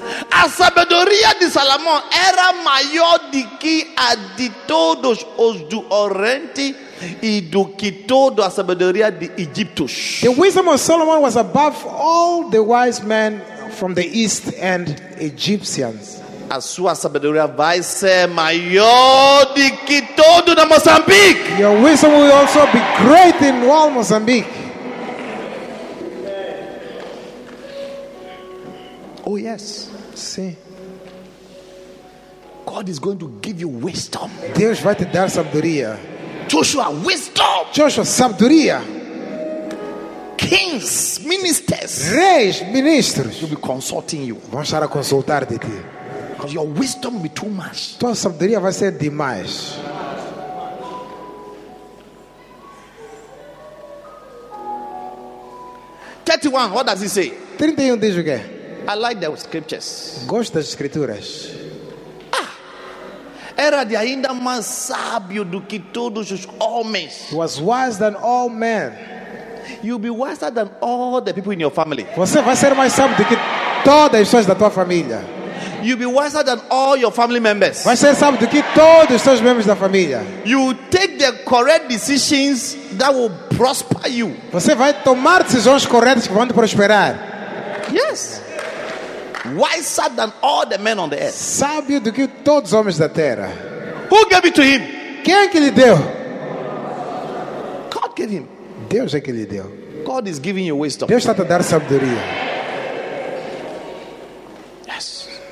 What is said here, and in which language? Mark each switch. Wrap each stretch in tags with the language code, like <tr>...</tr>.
<pt>A sabedoria de Salomão era maior do que a de todos os do Oriente e do que toda a sabedoria de Egito.</pt> <en>The wisdom of Solomon was above all the wise men from the East and Egyptians.</en> <pt>A sua sabedoria vai ser maior do que todo na Moçambique.</pt> <en>Your wisdom will also be great in all Mozambique. Oh yes.</en> <pt>Sim.</pt> <en>God is going to give you wisdom.</en> <pt>Deus vai te dar sabedoria.</pt> <en>Joshua, wisdom.</en> <pt>Joshua, sabedoria.</pt> <en>Kings, ministers.</en> <pt>Reis, ministros.</pt> <en>Will be consulting you.</en> <pt>Vão estar a consultar de ti.</pt> <en>Because your wisdom will be too much.</en> <pt>Tua sabedoria vai ser demais.</pt> <en>What does he say?</en> <pt>31 diz o quê?</pt> <en>I like the scriptures.</en> <pt>Gosto das escrituras. Era de ainda mais sábio do que todos os homens.</pt> <en>He was wiser than all men. You'll be wiser than all the people in your family.</en> <pt>Você vai ser mais sábio do que todas as pessoas da tua família.</pt> <en>You'll be wiser than all your family members.</en> <pt>Vai ser sábio do que todos os seus membros da família.</pt> <en>You take the correct decisions that will prosper you.</en> <pt>Você vai tomar decisões corretas que vão te prosperar.</pt> <en>Yes. Wiser than all the men on the earth.</en> <pt>Sábio do que todos os homens da terra.</pt> <en>Who gave it to him?</en> <pt>Quem que lhe deu?</pt> <en>God gave him.</en> <pt>Deus é que lhe deu.</pt> <en>God is giving you wisdom.</en> <pt>Deus está te dando sabedoria.</pt> <en>Yes.</en>